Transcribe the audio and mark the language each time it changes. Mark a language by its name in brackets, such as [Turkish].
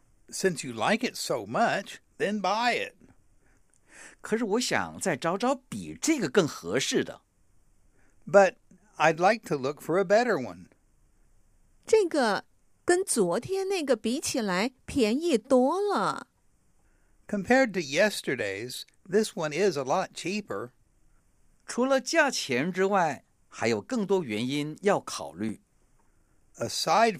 [English] Since you like it so much, then buy it. [Chinese] 可是我想再找找比这个更合适的。 [English] But I'd like to look for a better one. [Chinese] 这个跟昨天那个比起来便宜多了。 [English] Compared to yesterday's, this one is a lot cheaper. [Chinese] 除了价钱之外,还有更多原因要考虑。 [English] Aside